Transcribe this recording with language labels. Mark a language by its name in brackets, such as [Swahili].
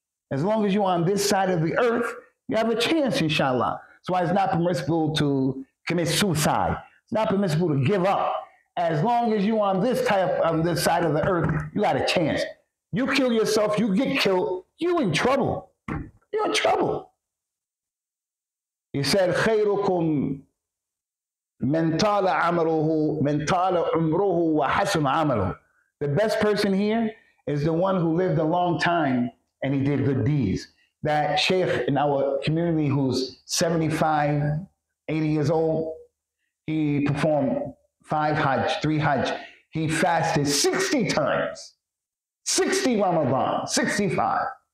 [English] As long as you're on this side of the earth, you have a chance, inshallah. That's why it's not permissible to commit suicide. It's not permissible to give up. As long as you're on this type of this side of the earth, you got a chance. You kill yourself, you get killed, you in trouble. you're in trouble. He said, [Arabic] خَيْرُكُمْ مَنْ طَالَ عَمَلُهُ مَنْ طَالَ عُمْرُهُ وَحَسُنْ عَمَلُهُ. [English] The best person here is the one who lived a long time and he did good deeds. That sheikh in our community who's 75, 80 years old, he performed 5 hajj, 3 hajj. He fasted 60 times, 60 Ramadan, 65.